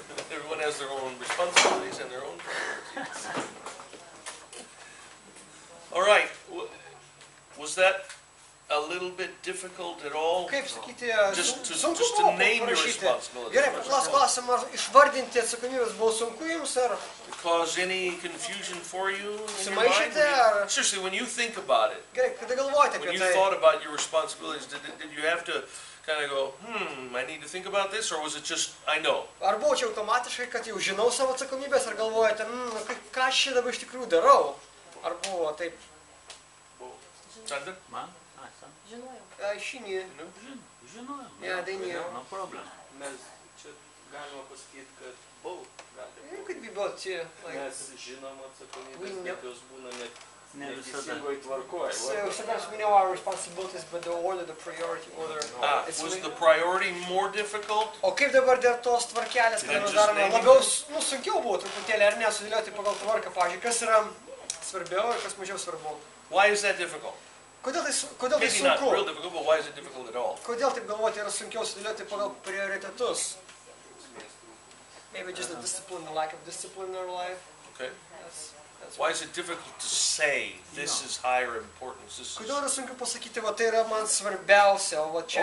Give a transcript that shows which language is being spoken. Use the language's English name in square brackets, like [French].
[English] Everyone has their own responsibilities and their own priorities. All right. Was that a little bit difficult at all? [Lithuanian] Kaip sakyti, [English] just to name your responsibilities. [Lithuanian] Gerai, ar išvardinti atsakomybės buvo sunku jums, ar... [English] Cause any confusion for you in your mind? Seriously, when you think about it, when you thought about your responsibilities, did you have to kind of go, I need to think about this, or was it just, I know? [Lithuanian] Ar buvo čia automatiškai, kad jau žinau savo atsakomybės, ar galvojate, ką aš čia dabar iš tikrųjų darau? Ar buvo taip? [English] Sander? [Lithuanian] Man? Žinojau. Aš šinį. Žinojau. Ja, dainėjau. [English] No problem. [Lithuanian] Mes čia galima pasakyti, kad buvo. [English] Could be both, yeah. [Lithuanian] Mes žinom atsakomybės, bet jos būna neteisingoj tvarkoj. [English] So sometimes we know our responsibilities, but the order, the priority order. Was the priority more difficult? [Lithuanian] O kaip dabar dėl tos tvarkelės, kad mes darome labiau, sunkiau buvo truputėlį, ar ne, sudėlioti pagal tvarką, pavyzdžiui, kas yra svarbiau ir kas mažiau svarbu? [English] Why is that difficult? [Lithuanian] Kodėl tai sunku? [English] Maybe not real difficult, but why is it difficult at all? [Lithuanian] Kodėl taip galvoti yra sunkiau sudėlioti pagal prioritetus? [English] Maybe just the discipline, the lack of discipline in our life. Okay. Why is it difficult to say this is higher importance? This is. [Lithuanian] Kodėl yra sunku pasakyti, va tai yra man svarbiausia, va čia.